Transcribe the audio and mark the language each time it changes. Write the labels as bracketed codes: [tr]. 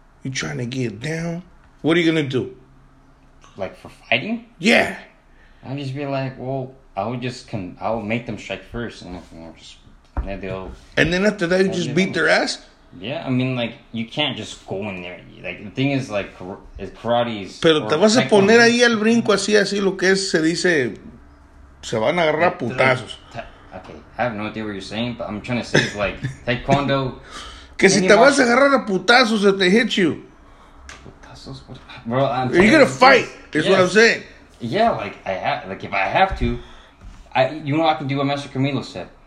[en] You trying to get down? What are you going to do? Like, for fighting? Yeah. I'd just be like, well, I would make them strike first. And then after that, you just beat their ass? Yeah, I mean, like, you can't just go in there. Like, the thing is, like, karate is... [es] Pero te vas a poner ahí al brinco así, lo que es, se dice... Se van a agarrar putazos. [en] Okay, I have no idea what you're saying, but I'm trying to say it's like, taekwondo... [es] Que si te vas a agarrar a putazos, [en] if they hit you. Putazos? Bro, I'm... You're gonna fight, is what I'm saying. Yeah, like, if I have to, you know what I can do, what Master Camilo said?